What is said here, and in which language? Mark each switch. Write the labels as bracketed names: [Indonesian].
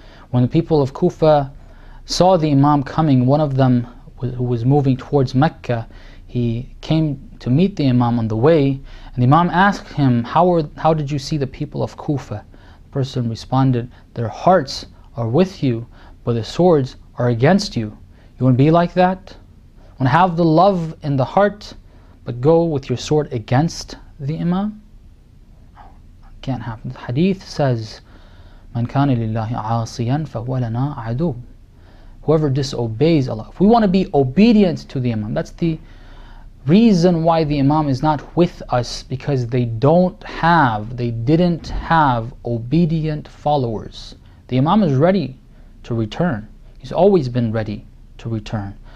[English] When the people of Kufa saw the Imam coming, one of them who was moving towards Mecca, he came to meet the Imam on the way, and the Imam asked him, how did you see the people of Kufa? The person responded, their hearts are with you, but the swords are against you. You want to be like that? You want to have the love in the heart, but go with your sword against the Imam? Can't happen. The Hadith says, [Arabic] مَنْ كَانَ لِلَّهِ عَاصِيًا فَهُوَ لَنَا عَدُوٌ. [English] Whoever disobeys Allah, if we want to be obedient to the Imam, that's the reason why the Imam is not with us, because they didn't have obedient followers. The Imam is ready to return. He's always been ready to return.